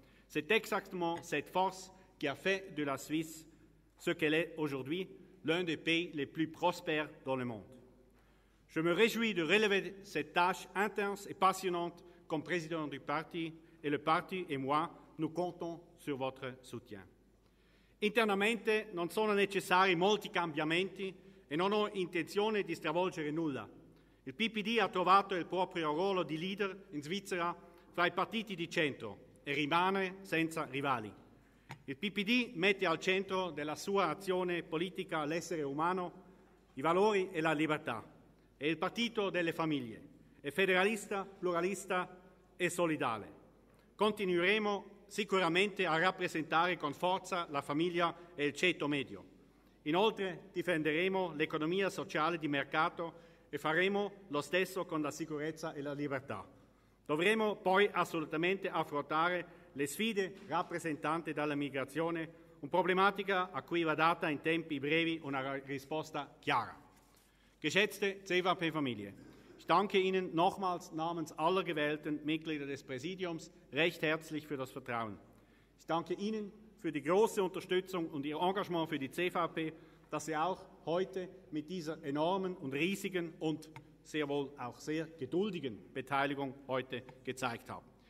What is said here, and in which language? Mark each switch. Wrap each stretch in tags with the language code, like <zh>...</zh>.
<fr>C'est exactement cette force qui a fait de la Suisse ce qu'elle est aujourd'hui, l'un des pays les plus prospères dans le monde. Je me réjouis de relever cette tâche intense et passionnante comme président du parti, et le parti et moi, nous comptons sur votre soutien.</fr> <it>Internamente non sono necessari molti cambiamenti e non ho intenzione di stravolgere nulla. Il PPD ha trovato il proprio ruolo di leader in Svizzera fra i partiti di centro e rimane senza rivali. Il PPD mette al centro della sua azione politica l'essere umano, i valori e la libertà. È il partito delle famiglie. È federalista, pluralista e solidale. Continueremo sicuramente a rappresentare con forza la famiglia e il ceto medio. Inoltre difenderemo l'economia sociale di mercato e faremo lo stesso con la sicurezza e la libertà. Dovremo poi assolutamente affrontare le sfide rappresentate dalla migrazione, una problematica a cui va data in tempi brevi una risposta chiara.</it> <de>Geschätzte CVP-Familie, ich danke Ihnen nochmals namens aller gewählten Mitglieder des Präsidiums recht herzlich für das Vertrauen. Ich danke Ihnen für die große Unterstützung und Ihr Engagement für die CVP, dass Sie auch heute mit dieser enormen und riesigen und sehr wohl auch sehr geduldigen Beteiligung heute gezeigt haben.</de>